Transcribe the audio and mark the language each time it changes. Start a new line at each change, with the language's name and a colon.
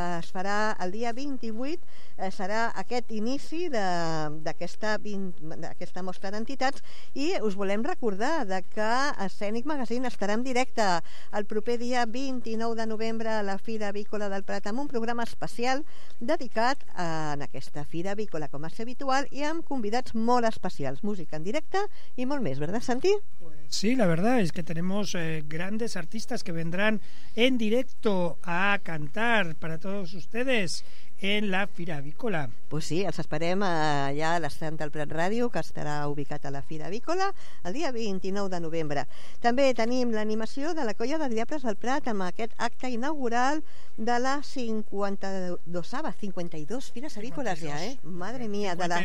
Catalan: Es farà el dia 28, serà aquest inici d'aquesta mostra d'entitats, i us volem recordar de que Scenic Magazine estarà en directe el proper dia 29 de novembre a la Fira Avícola del Prat amb un programa especial dedicat a aquesta fira. Fira Avícola, com és habitual, i amb convidats molt especials. Música en directe i molt més,
Spanish: ¿verdad, Santi? Sí, la verdad es que tenemos grandes artistas que vendrán en directo a cantar para todos ustedes en la Fira Avícola. Pues sí,
Catalan: els esperem allà a l'estand del Prat Ràdio, que estarà ubicat a la Fira Avícola el dia 29 de novembre. També tenim l'animació de la Colla de Diables del Prat amb aquest acte inaugural de la 52ava, 52 fires avícoles ja,
Spanish: Madre mía,
Catalan: de la